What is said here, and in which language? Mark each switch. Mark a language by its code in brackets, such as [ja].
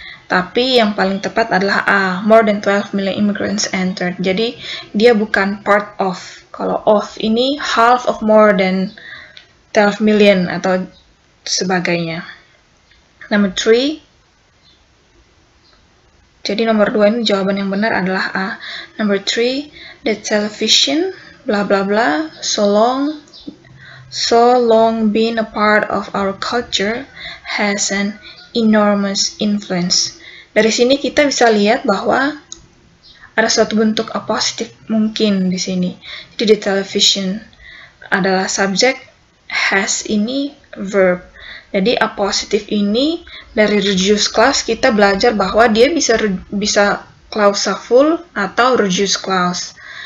[id] Tapi yang paling tepat adalah A, more than 12 million immigrants entered. Jadi, dia bukan part of. Kalau of ini, half of more than 12 million atau sebagainya. Number 3. Jadi, nomor 2 ini jawaban yang benar adalah A. [en] Number 3, the television, blah, blah, blah, so long been a part of our culture has an enormous influence. [id] Dari sini kita bisa lihat bahwa ada suatu bentuk apositif mungkin di sini. Jadi the television adalah subject, has ini verb. Jadi apositif ini dari reduced clause kita belajar bahwa dia bisa clause full atau reduced clause.